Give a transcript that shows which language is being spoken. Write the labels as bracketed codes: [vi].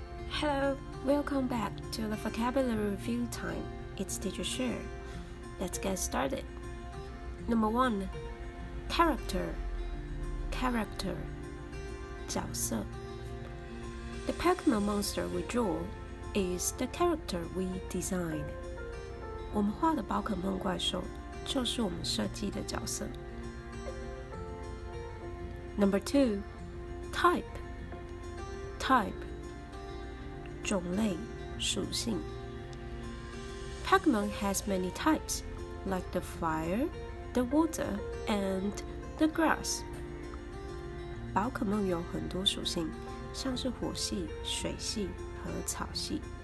[en] Hello, welcome back to the vocabulary review time. It's Teacher Share. Let's get started. Number one, character, 角色. The Pokemon monster we draw is the character we design. [zh] 我们画的宝可梦怪兽就是我们设计的角色。 [en] Number two, type. 种类属性 Pokemon has many types, like the fire, the water, and the grass. [zh] 宝可梦有很多属性，像是火系、水系和草系。